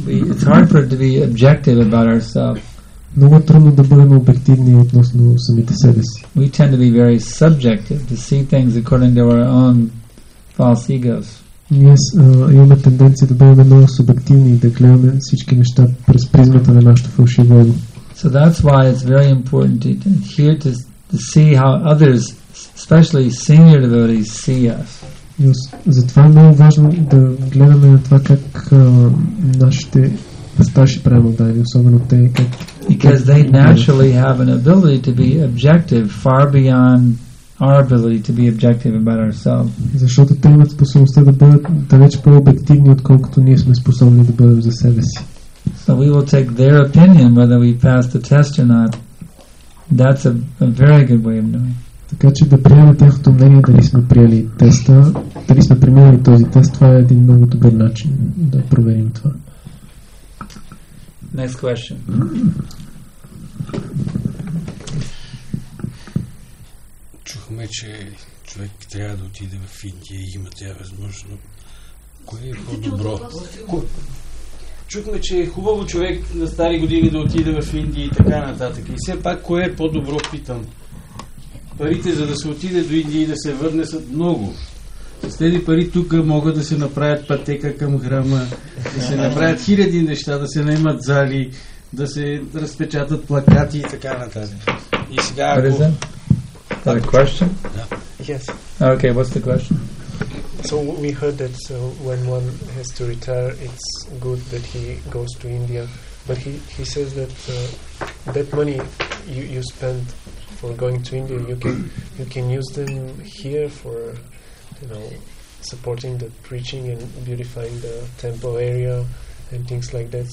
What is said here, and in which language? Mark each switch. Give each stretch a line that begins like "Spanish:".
English: It's hard for it to be objective about ourselves.
Bulgarian: Много трудно да бъдем обективни относно самите себе си.
English: We tend to be very subjective to see things according to our own false egos.
Bulgarian: Yes, имаме тенденция да бъдем много субективни и да гледаме всички неща през призмата на нашата фалшива ега.
English: So that's why it's very important to hear to see how others, especially senior devotees, see us.
Bulgarian: Затова е много важно да гледаме на това как нашите старши преданодари, особено те, как...
English: Because they naturally have an ability to be objective far beyond our ability to be objective about ourselves.
Bulgarian: Защото те имат способността да бъдат далеч по-обективни, отколкото ние сме способни да бъдем за себе си.
English: So we will take their opinion whether we pass the test or not. That's a very good way of knowing.
Bulgarian: Така че да приемем тяхното мнение дали сме приели теста, дали сме преминали този тест, това е един много добър начин да проверим това.
English: Next question.
Bulgarian: Чухме, че човек трябва да отиде в Индия и има тя възможно. Кое е по-добро? Чухме, че е хубаво човек на стари години да отиде в Индия и така нататък. И все пак, кое е по-добро, питам? Парите, за да се отиде до Индия и да се върне, са много. С тези пари тук могат да се направят пътека към храма, да се направят хиляди неща, да се наймат зали, да се разпечатат плакати и така нататък. И сега ако...
English: What is that? That a question? Yeah. Yes. Okay, what's the question? So we heard that when one has to retire, it's good that he goes to India. But he says that that money you spend for going to India, you can use them here for, you know, supporting the preaching and beautifying the temple area and things like that.